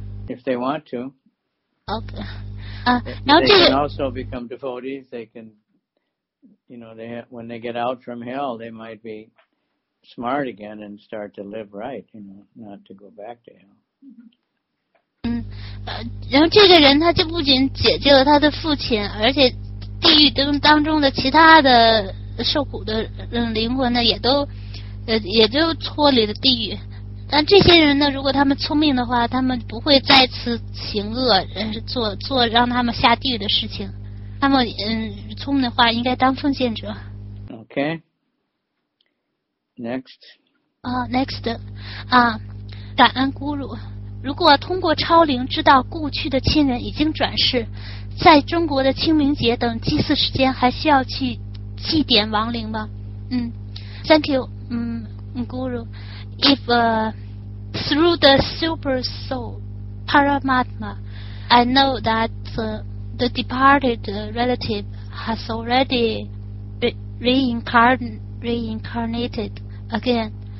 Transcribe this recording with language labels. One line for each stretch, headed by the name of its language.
English: if they want to. Okay. Can also become devotees. They can, you know, when they get out from hell, they might be smart again and start to live right, you know, not to go back to hell.
Chinese: 然后这个人他就不仅解救了他的父亲，而且地狱当中的其他的受苦的灵魂呢，也都脱离了地狱。但这些人呢，如果他们聪明的话，他们不会再次行恶，做让他们下地狱的事情。他们聪明的话，应该当奉献者。
English: Okay. Next. Next.
Chinese: 感恩咕噜。如果通过超灵知道故去的亲人已经转世，在中国的清明节等祭祀时间还需要去祭奠亡灵吗？
English: Thank you, Guru. If through the super soul, Paramatma, I know that the departed relative has already reincarnated again.